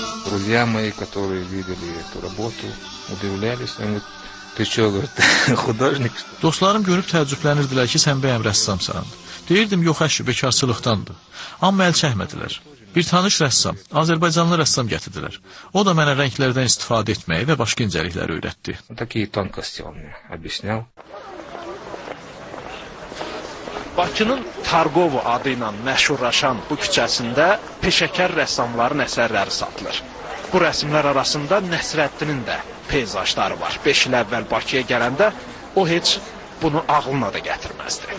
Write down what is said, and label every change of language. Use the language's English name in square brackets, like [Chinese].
[Russian] Друзья мои, которые видели эту работу, удивлялись. Они говорят, ты что, говорит, художник? [Azerbaijani] Dostlarım görüb təəccüblənirdilər ki, sən bəyəm rəssamsan. Deyirdim, yox əşi, bekarçılıqdandır. Amma əl çəkmədilər. Bir tanış rəssam, Azərbaycanlı rəssam gətirdilər. O da mənə rənglərdən istifadə etməyi və başqa incəlikləri öyrətdi. [Russian] Такие тонкости он мне объяснял. [Azerbaijani] Bakının Targovo adı ilə məşhurlaşan bu küçəsində peşəkar rəssamların əsərləri satılır. Bu rəsimlər arasında Nəsrəddinin də peyzajları var. 5 il əvvəl Bakıya gələndə o heç bunu ağlına da gətirməzdi.